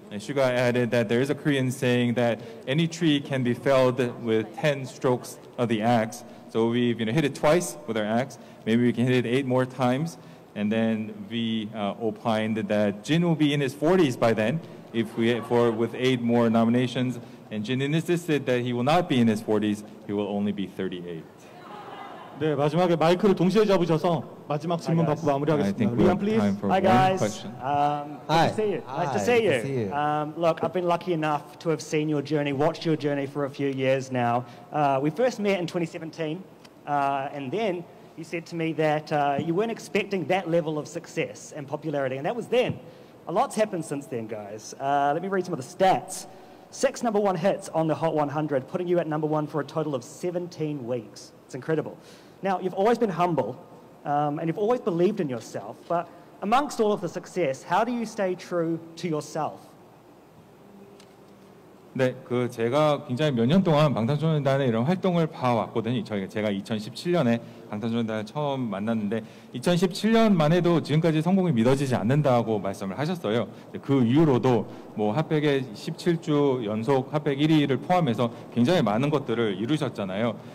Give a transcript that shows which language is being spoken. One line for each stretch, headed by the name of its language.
English: And Suga added that there is a Korean saying that any tree can be felled with 10 strokes of the axe. So we've hit it twice with our axe. Maybe we can hit it 8 more times. And then we opined that Jin will be in his 40s by then if we with 8 more nominations. And Jin insisted that he will not be in his 40s. He will only be 38.
Korean: 네, 마지막에 마이크를 동시에 잡으셔서 마지막 질문 받고 마무리하겠습니다.
English: Liam, please. Hi, guys. Nice to see you. Look, I've been lucky enough to have seen your journey, watched your journey for a few years now. We first met in 2017, and then you said to me that you weren't expecting that level of success and popularity, and that was then. A lot's happened since then, guys. Let me read some of the stats. 6 number one hits on the Hot 100, putting you at number one for a total of 17 weeks. It's incredible. Now, you've always been humble, and you've always believed in yourself, but amongst all of the success, how do you stay true to yourself?
Korean: 네, 그 제가 굉장히 몇 년 동안 방탄소년단의 이런 활동을 봐왔거든요. 제가 2017년에 방탄소년단을 처음 만났는데 2017년만 해도 지금까지 성공이 믿어지지 않는다고 말씀을 하셨어요. 그 이후로도 뭐 핫팩의 17주 연속 핫팩 1위를 포함해서 굉장히 많은 것들을 이루셨잖아요.